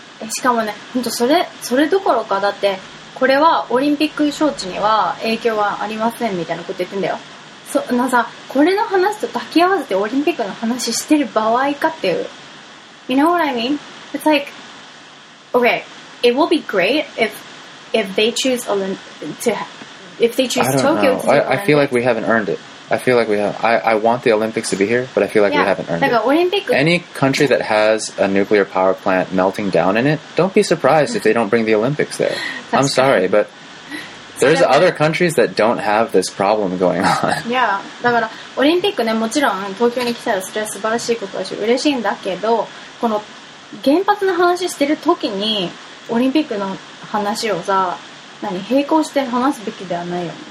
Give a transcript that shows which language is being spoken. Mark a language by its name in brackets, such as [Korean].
[Japanese] しかもね、本当それどころか、だってこれはオリンピック招致には影響はありませんみたいなこと言ってんだよ。そなんさ、これの話と抱き合わせてオリンピックの話してる場合かっていう。 [English] You know what I mean? It's like, okay, it will be great if they choose Tokyo to do Olympics. I feel like we haven't earned it. I feel like we have. I want the Olympics to be here, but I feel like we haven't earned it. Any country that has a nuclear power plant melting down in it, don't be surprised if they don't bring the Olympics there. I'm sorry, but there's other countries that don't have this problem going on. [Japanese] Yeah, だからオリンピックね、もちろん東京に来たらそれは素晴らしいことだし嬉しいんだけど、この原発の話してる時にオリンピックの話をさ、何並行して話すべきではないよね。